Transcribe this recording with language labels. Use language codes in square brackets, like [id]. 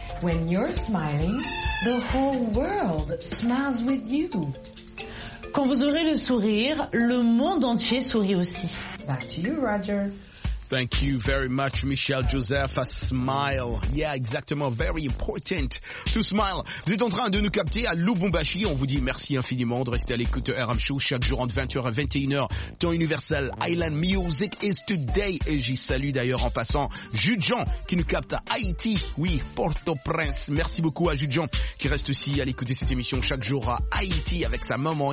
[en] When you're smiling, the whole world smiles with you. [fr] Quand vous aurez le sourire, le monde entier sourit aussi. [en] Back to you, Roger. Thank you very much, Michel Joseph. A smile. Yeah, exactement. Very important to smile. [fr] Vous êtes en train de nous capter à Lubumbashi. On vous dit merci infiniment de rester à l'écoute de RM Show chaque jour entre 20h à 21h. Temps universel. Island Music is today. Et j'y salue d'ailleurs en passant Jujan qui nous capte à Haïti. Oui, Port-au-Prince. Merci beaucoup à Jujan qui reste aussi à l'écoute de cette émission chaque jour à Haïti avec sa maman.